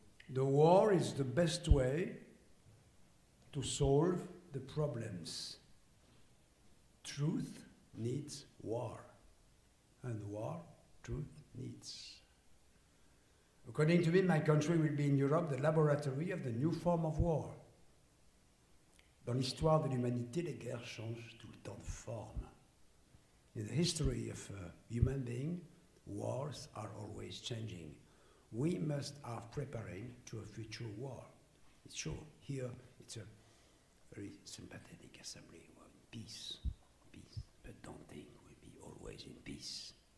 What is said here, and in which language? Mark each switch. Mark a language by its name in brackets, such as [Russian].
[English] The war is the best way to solve the problems. Truth needs war. And war, truth needs. According to me, my country will be in Europe the laboratory of the new form of war. [French] Dans l'histoire de l'humanité, les guerres changent tout le temps de forme. [English] In the history of human being, wars are always changing. We must have preparing to a future war. It's sure, here it's a very sympathetic assembly. Well, peace, but don't think we'll be always in peace.